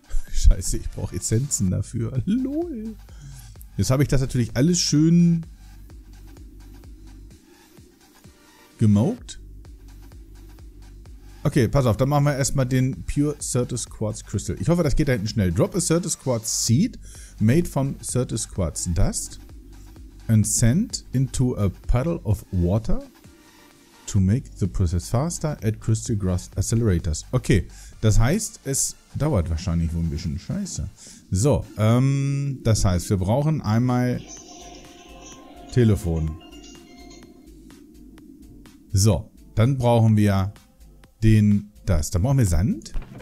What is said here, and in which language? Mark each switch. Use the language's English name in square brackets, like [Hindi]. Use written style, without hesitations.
[German] Scheiße, ich brauche Essenzen dafür. Lol. Jetzt habe ich das natürlich alles schön. Gemoked. Okay, pass auf. Dann machen wir erstmal den Pure Certus Quartz Crystal. Ich hoffe, das geht da hinten schnell. [English] Drop a Certus Quartz Seed made from Certus Quartz Dust and send into a puddle of water to make the process faster at Crystal Growth Accelerators. [German] Okay, das heißt, es dauert wahrscheinlich wohl ein bisschen. Scheiße. So, das heißt, wir brauchen einmal Telefon. So, dann brauchen wir da brauchen wir Sand.